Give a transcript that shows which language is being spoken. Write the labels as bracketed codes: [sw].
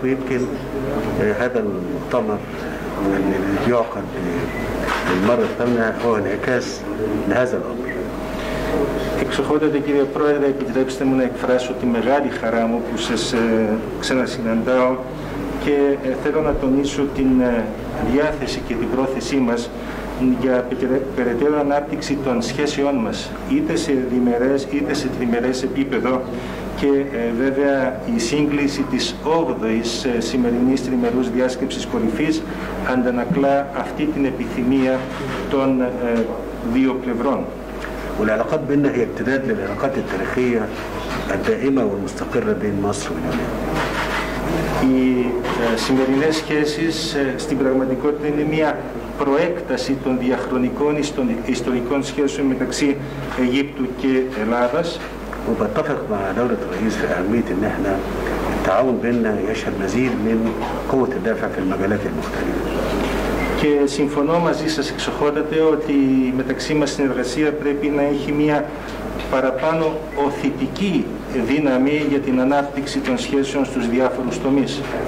[ar] ويمكن هذا المؤتمر اللي يعقد للمرة الثامنة هو انعكاس لهذا الامر. [el] Εξοχότατε κύριε Πρόεδρε, επιτρέψτε μου να εκφράσω τη μεγάλη χαρά μου που σας ξανασυναντάω και θέλω να τονίσω την διάθεση και την πρόθεσή μας για περαιτέρω ανάπτυξη των σχέσεών μας, είτε σε διμερές είτε σε τριμερές επίπεδο. Και βέβαια η σύγκληση της 8ης σημερινής τριμερούς διάσκεψης κορυφής αντανακλά αυτή την επιθυμία των δύο πλευρών. [ar] والعلاقات بيننا هي امتداد للعلاقات التاريخية الدائمة والمستقرة بين مصر واليونان. [el] Οι σημερινές σχέσεις στην πραγματικότητα είναι μια προέκταση των διαχρονικών ιστορικών σχέσεων μεταξύ Αιγύπτου και Ελλάδας. [ar] وبتفق مع دولة الرئيس في أهمية إن إحنا التعاون بيننا يشهد مزيد من قوة الدافع في المجالات المختلفة. [el] Και συμφωνώ μαζί σας, εξοχότατε, ότι μεταξύ μας συνεργασία πρέπει να έχει μια παραπάνω οθητική δύναμη για την ανάπτυξη των σχέσεων στους διάφορους τομείς.